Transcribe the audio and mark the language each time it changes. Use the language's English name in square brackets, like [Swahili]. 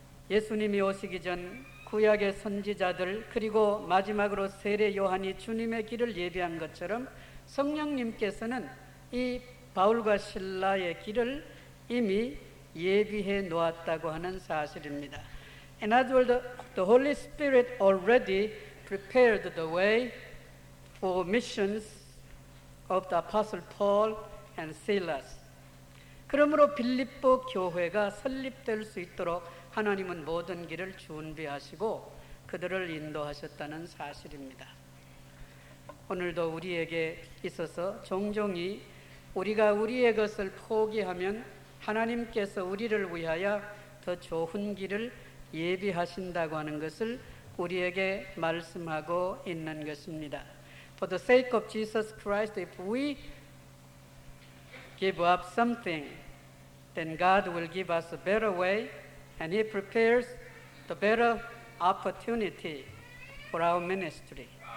[Korean] 예수님이 오시기 전 구약의 선지자들 그리고 마지막으로 세례 요한이 주님의 길을 예비한 것처럼 성령님께서는 이 바울과 실라의 길을 이미 예비해 놓았다고 하는 사실입니다. [English] In other words, the Holy Spirit already prepared the way for missions of the Apostle Paul and Silas. [Korean] 그러므로 빌립보 교회가 설립될 수 있도록 하나님은 모든 길을 준비하시고 그들을 인도하셨다는 사실입니다. 오늘도 우리에게 있어서 종종이 우리가 우리의 것을 포기하면 하나님께서 우리를 위하여 더 좋은 길을 예비하신다고 하는 것을 우리에게 말씀하고 있는 것입니다. [English] For the sake of Jesus Christ, if we give up something, then God will give us a better way and He prepares the better opportunity for our ministry.